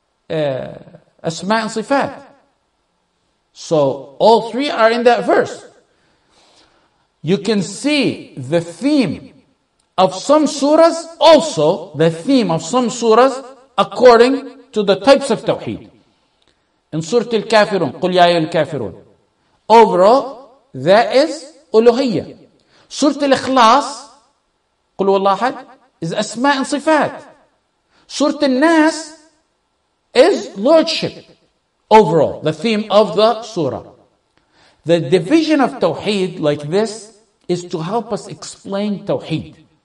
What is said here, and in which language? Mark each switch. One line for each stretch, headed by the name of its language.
English: Asma and Sifat. So all three are in that verse. You can see the theme of some surahs, also the theme of some surahs according to the types of Tawheed. In Surah Al-Kafirun,
Arabic: قُلْ يَا أَيُّهَا الْكَافِرُونَ.
English: Overall, that is Uluhiyya. Surah Al-Ikhlas,
Arabic: قُلْ وَاللَّهُ أَحَدْ,
English: is Asma and Sifat. Surah Al-Nas is Lordship. Overall, the theme of the surah. The division of Tawheed like this is to help us explain Tawheed.